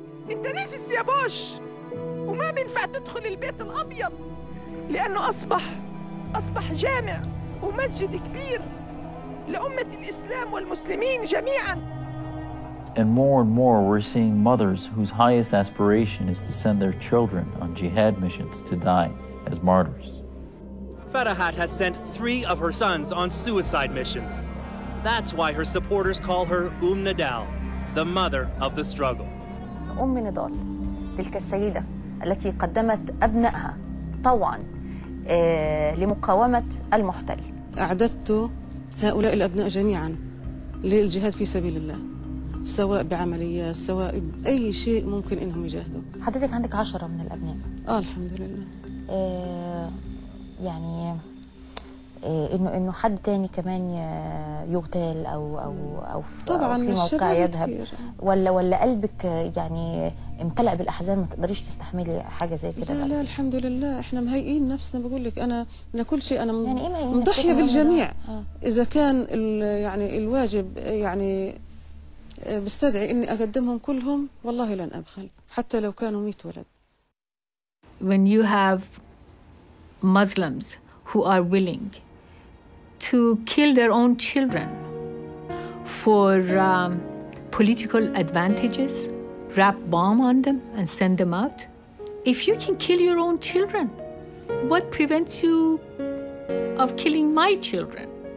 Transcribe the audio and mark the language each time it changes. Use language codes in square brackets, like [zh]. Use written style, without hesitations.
[en] And more and more, we're seeing mothers whose highest aspiration is to send their children on jihad missions to die as martyrs. Farahat has sent three of her sons on suicide missions. That's why her supporters call her Nadal, the mother of the struggle. [ar] Nadal, تلك السيدة التي قدمت أبنائها طوعاً لمقاومة المحتل. أعددت هؤلاء الأبناء جميعا للجهاد في سبيل الله، سواء بعمليات، سواء بأي شيء ممكن إنهم يجاهدوا. حضرتك عندك 10 من الأبناء. الحمد لله. يعني إنه حد تاني كمان يغتال أو طبعا أو في موقع يذهب كتير. ولا قلبك يعني امتلأ بالأحزان ما تقدريش تستحملي حاجة زي كده؟ لا الحمد لله، احنا مهيئين نفسنا. بقول لك أنا لكل شيء أنا يعني مضحية بالجميع. إذا كان يعني الواجب يعني بستدعي إني أقدمهم كلهم والله لن أبخل حتى لو كانوا 100 ولد. [en] When you have Muslims who are willing to kill their own children for political advantages, wrap bomb on them and send them out, if you can kill your own children, what prevents you of killing my children?